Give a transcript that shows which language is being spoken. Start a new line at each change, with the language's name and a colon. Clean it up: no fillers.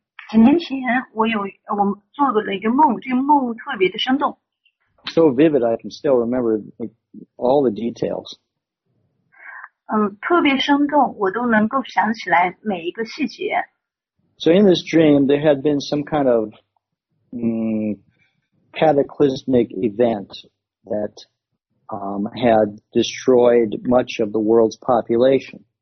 Chinese: 几年前我做了一个梦，这个梦特别的生动。
English: So vivid, I can still remember all the details.
Chinese: 特别生动，我都能够想起来每一个细节。
English: So in this dream, there had been some kind of cataclysmic event that had destroyed much of the world's population.